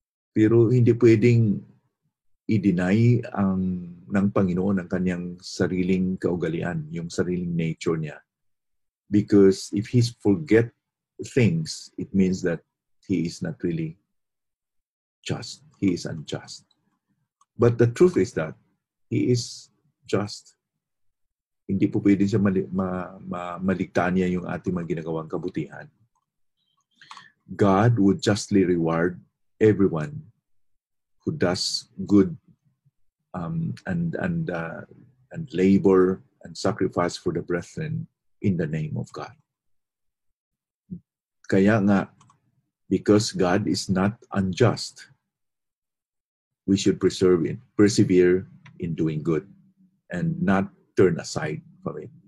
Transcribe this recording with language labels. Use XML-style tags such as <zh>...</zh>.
<tl>Pero hindi pwedeng i-deny ng Panginoon ang kanyang sariling kaugalian, yung sariling nature niya.</tl> <en>Because if He forget things, it means that He is not really just. He is unjust. But the truth is that He is just.</en> <tl>Hindi po pwede siya maligtaan niya yung ating mga ginagawang kabutihan.</tl> <en>God would justly reward everyone who does good and labor and sacrifice for the brethren in the name of God.</en> <tl>Kaya nga,</tl> <en>because God is not unjust, we should persevere in doing good and not turn aside from it.</en>